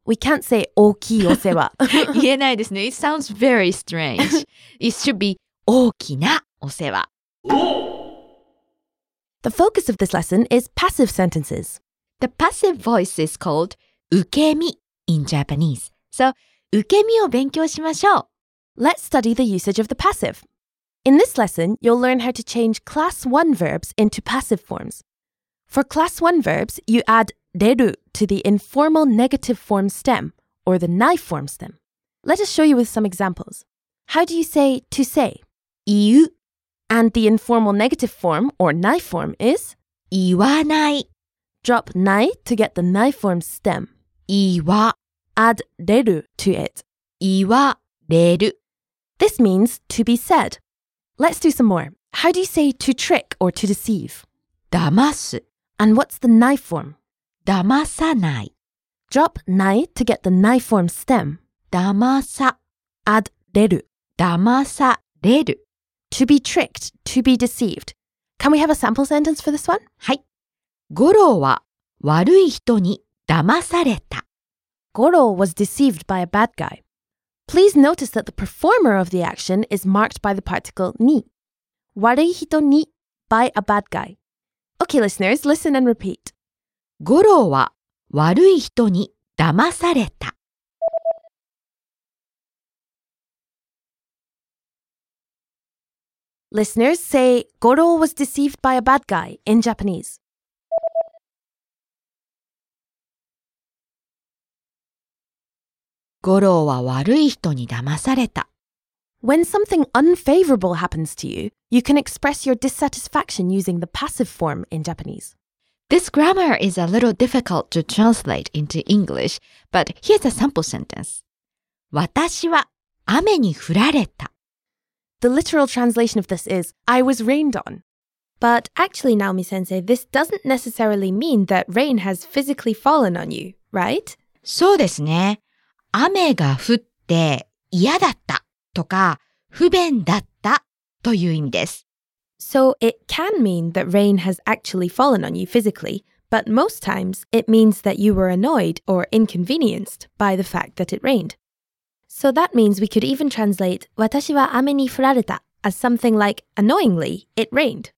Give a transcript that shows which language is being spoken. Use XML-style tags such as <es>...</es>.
<en>We can't say</en> <ja>大きいお世話. 言えないですね.</ja> <en>It sounds very strange. It should be 大きなお世話. The focus of this lesson is passive sentences. The passive voice is called 受け身 in Japanese.</en> <ja>So, 受け身を勉強しましょう。</ja> <en>Let's study the usage of the passive. In this lesson, you'll learn how to change class 1 verbs into passive forms. For class 1 verbs, you add 出る to the informal negative form stem, or the ない form stem. Let us show you with some examples. How do you say to say?</en> <ja>言う</ja> <en>And the informal negative form, or ない form, is?</en> <ja>言わない</ja> <en>Drop ない to get the ない form stem.</en> <ja>言わ</ja> <en>Add 出る to it.</en> <ja>言われる</ja> <en>This means to be said. Let's do some more. How do you say to trick or to deceive?</en> <ja>騙す</ja> <en>And what's the ない form?</en> <ja>騙さない</ja> <en>Drop ないと get the ない form stem.</en> <ja>騙さ</ja> <en>Add 出る</en> <ja>騙される</ja> <en>To be tricked, to be deceived. Can we have a sample sentence for this one?</en> <ja>はい。五郎は悪い人に騙された。</ja> <en>五郎 was deceived by a bad guy. Please notice that the performer of the action is marked by the particle に。</en> <ja>悪い人に</ja> <en>by a bad guy. Okay, listeners, listen and repeat.</en> <ja>五郎は悪い人に騙された。</ja> <en>Listeners say, Goro was deceived by a bad guy in Japanese.</en> <ja>Goro は悪い人に騙された。</ja> <en>When something unfavorable happens to you, you can express your dissatisfaction using the passive form in Japanese. This grammar is a little difficult to translate into English, but here's a sample sentence.</en> <ja>私は雨に降られた。</ja> <en>The literal translation of this is, I was rained on. But actually, Naomi-sensei, this doesn't necessarily mean that rain has physically fallen on you, right?</en> <ja>そうですね。雨が降って嫌だったとか不便だったという意味です。</ja> <en>So it can mean that rain has actually fallen on you physically, but most times it means that you were annoyed or inconvenienced by the fact that it rained. So that means we could even translate</en> <ja>私は雨に降られた</ja> <en>as something like, annoyingly, it rained.、</en>